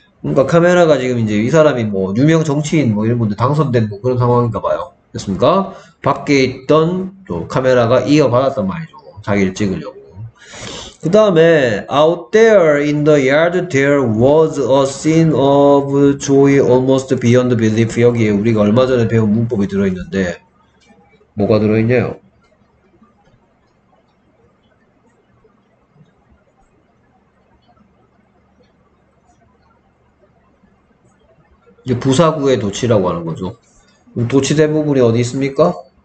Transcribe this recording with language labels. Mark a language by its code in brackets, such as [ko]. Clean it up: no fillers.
[ko] 뭔가 카메라가 지금 이제 이 사람이 뭐 유명 정치인 뭐 이런 분들 당선된 뭐 그런 상황인가 봐요. 됐습니까? 밖에 있던 또 카메라가 이어받았단 말이죠. 자기를 찍으려고. 그 다음에 [en] out there in the yard there was a scene of joy almost beyond belief. [ko] 여기에 우리가 얼마 전에 배운 문법이 들어있는데. 뭐가 들어있냐요? 이게 부사구의 도치라고 하는 거죠. 도치 대부분이 어디 있습니까?